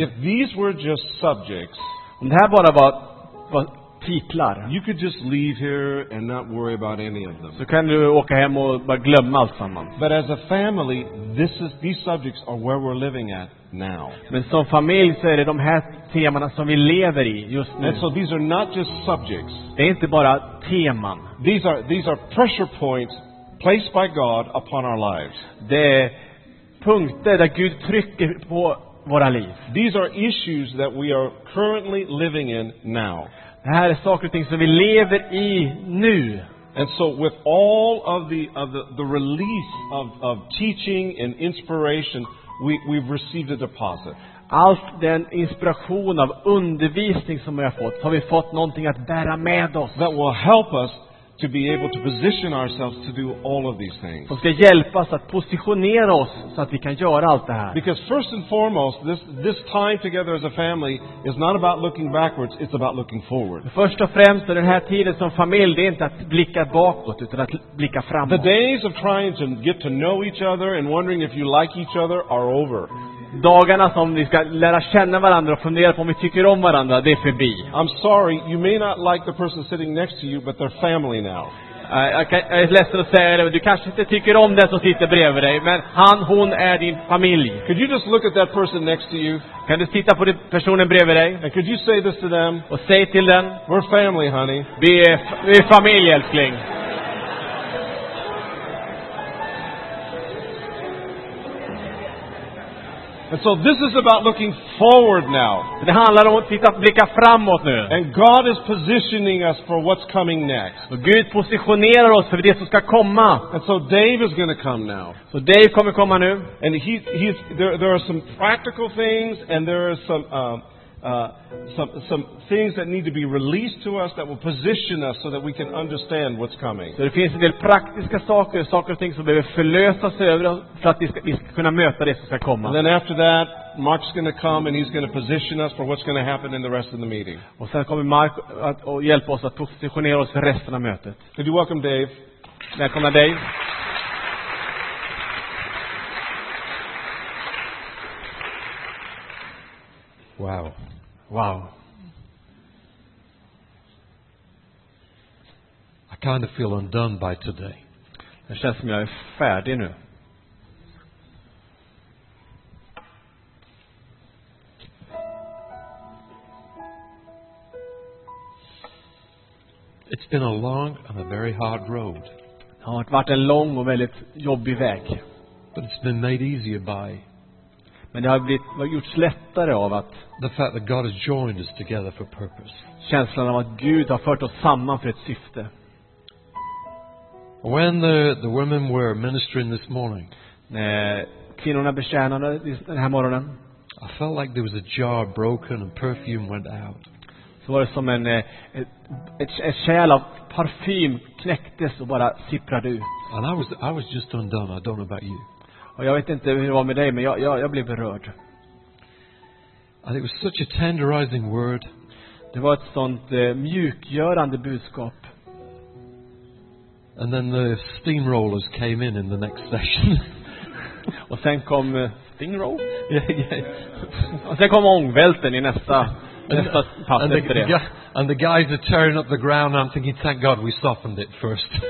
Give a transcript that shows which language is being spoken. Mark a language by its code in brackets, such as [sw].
[en] If these were just subjects, [sv] om det här bara var titlar, [en] you could just leave here and not worry about any of them. [sv] Så kan du åka hem och bara glömma allt sammans. [en] But as a family, these subjects are where we're living at. Now. [sv] Men som familj så är det de här temana som vi lever i just nu. [en] And so these are not just subjects. [sv] Det är inte bara teman. [en] These are pressure points placed by God upon our lives. [sv] Det är punkter där Gud trycker på våra liv. [en] These are issues that we are currently living in now. [sv] Det här är saker och ting som vi lever i nu. [en] And so with all of the release of teaching and inspiration, We've received a deposit. [sv] Allt den inspiration av undervisning som vi har fått, har vi fått någonting att bära med oss. [en] That will help us to be able to position ourselves to do all of these things. [sv] Som ska hjälpa oss att positionera oss så att vi kan göra allt det här. [en] Because first and foremost, this time together as a family is not about looking backwards, it's about looking forward. [sv] Först och främst är den här tiden som familj, det är inte att blicka bakåt utan att blicka framåt. [en] The days of trying to get to know each other and wondering if you like each other are over. [sv] dagarna som vi ska lära känna varandra och fundera på om vi tycker om varandra, det är förbi. [en] I'm sorry, you may not like the person sitting next to you, but they're family now. [sv] Jag är ledsen att säga det, men du kanske inte tycker om den som sitter bredvid dig, men han, hon är din familj. [en] Could you just look at that person next to you? [sv] Kan du titta på den personen bredvid dig? [en] And could you say this to them? [sv] Och säg till den. [en] We're family, honey. [sv] Vi är familj, älskling. [en] And so this is about looking forward now. [sv] Det handlar om att titta och blicka framåt nu. [en] And God is positioning us for what's coming next. [sv] Och Gud positionerar oss för det som ska komma. [en] And so Dave is going to come now. [sv] Så Dave kommer komma nu. [en] And there are some practical things and there are some things that need to be released to us that will position us so that we can understand what's coming. [sv] Så det finns en del praktiska saker och ting som behöver förlösas över för att vi ska kunna möta det som ska komma. [en] And then after that, Mark's going to come and he's going to position us for what's going to happen in the rest of the meeting. [sv] Och sen kommer Mark att hjälpa oss att positionera oss för resten av mötet. [en] Could you welcome Dave? [sv] Välkomna Dave. [en] Wow. Wow. I kind of feel undone by today. [sv] Det känns som jag är färdig nu. [en] It's been a long and a very hard road. [sv] Det har varit en lång och väldigt jobbig väg. [en] But it's been made easier by. [sv] Men det har gjorts lättare av att [en] the fact that God has joined us together for purpose. [sv] Känslan av att Gud har fört oss samman för ett syfte. [en] When the women were ministering this morning. [sv] När kvinnorna betjänade den här morgonen. [en] I felt like there was a jar broken and perfume went out. [sv] Så var det som en ett kärl av parfym knäcktes och bara sipprade ut. [en] And I was just undone. I don't know about you. [sv] Och jag vet inte hur det var med dig, men jag blev berörd. [en] And it was such a tenderizing word. [sv] Det var ett sånt mjukgörande budskap. [en] And then the steamrollers came in the next session. [sv] Och sen kom steamroll. [en] Yeah. [sv] Och sen kom ångvälten i nästa pass efter det. [en] And the guys are tearing up the ground. And I'm thinking, thank God we softened it first.